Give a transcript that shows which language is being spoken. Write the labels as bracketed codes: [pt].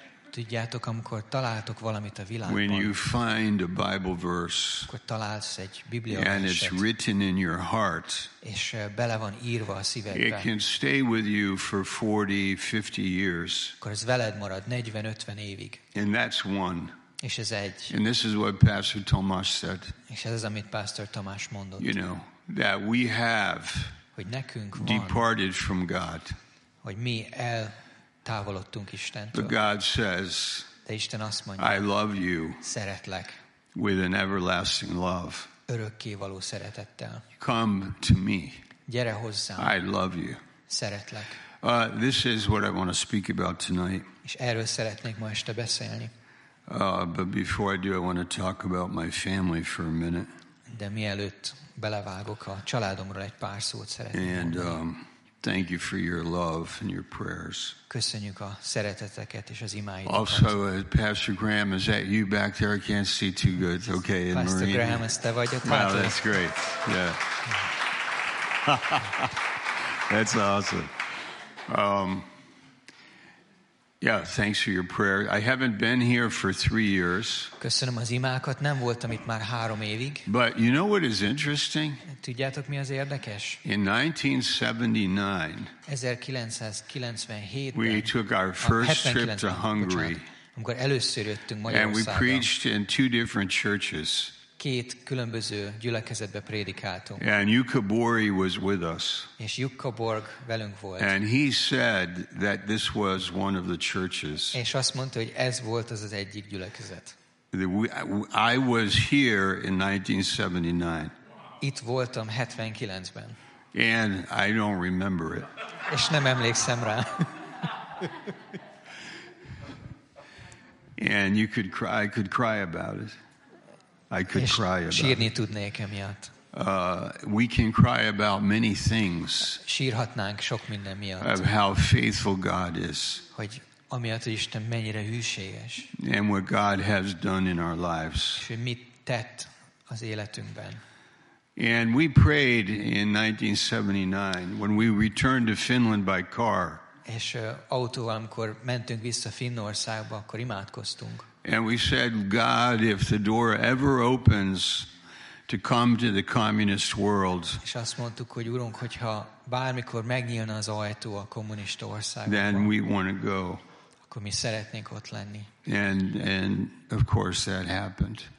[hu] tudjátok, amikor találtok valamit a világban, [en] when you find a Bible verse, [hu] akkor találsz egy Biblia verset, [en] and it's written in your heart, [hu] és bele van írva a szívedbe, [en] it can stay with you for 40, 50 years, [hu] akkor ez veled marad 40-50 évig. [en] And that's one. [hu] És ez egy. [en] And this is what Pastor Tomás said. [hu] És ez az, amit Pastor Tomás mondott. [en] You know, that we have, [hu] hogy nekünk van, [en] departed from God. [hu] Hogy mi el távolodtunk Istentől. [en] But God says, [hu] de Isten azt mondja, [en] I love you, [hu] szeretlek, [en] with an everlasting love, [hu] örökkévaló szeretettel. [en] Come to me, [hu] gyere hozzám, [en] I love you, [hu] szeretlek. [en] This is what I want to speak about tonight. [hu] És erről szeretnék ma este beszélni. [en] But before I do, I want to talk about my family for a minute. [hu] De mielőtt belevágok a családomról egy pár szót szeretnék mondani. [en] Thank you for your love and your prayers. [hu] Köszönjük a szereteteket és az imáidat. [en] Also, Pastor Graham, is that you back there? I can't see too good. Okay, and Pastor Marina. [hu] Graham, ez te vagy ott. [en] Wow, that's great. Yeah. That's awesome. Yeah, thanks for your prayer. I haven't been here for 3 years. [hu] Köszönöm az imákat, nem voltam itt már 3 évig. [en] But you know what is interesting? [hu] Tudjátok, mi az érdekes? [en] In 1979, we took our first trip to Hungary. [hu] Amikor először jöttünk Magyarországra. [en] And we preached in 2 different churches. [hu] Két különböző gyülekezetbe prédikáltunk. [en] And Jukka Borg was with us. [hu] És Jukka Borg velünk volt. [en] And he said that this was one of the churches. [hu] És azt mondta, hogy ez volt az egyik gyülekezet. [en] I was here in 1979. [hu] Itt voltam 79-ben. [en] And I don't remember it. [hu] És nem emlékszem rá. [en] And you could cry. I could cry about it. I could cry about. [hu] Sírni tudnék emiatt. [en] We can cry about many things. [hu] Sírhatnánk sok minden miatt. [en] Of how faithful God is. [hu] Hogy amiatt, hogy Isten mennyire hűséges. [en] And what God has done in our lives. [hu] És mit tett az életünkben. [en] And we prayed in 1979 when we returned to Finland by car. [hu] És autóval, amikor mentünk vissza Finnországba, akkor imádkoztunk. [en] And we said, God, if the door ever opens to come to the communist world, [hu] és azt mondtuk, hogy Urunk, hogyha bármikor megnyílna az ajtó a kommunista országba, [en] then we want to go. [hu] Akkor mi szeretnénk ott lenni. [en] And of course that happened.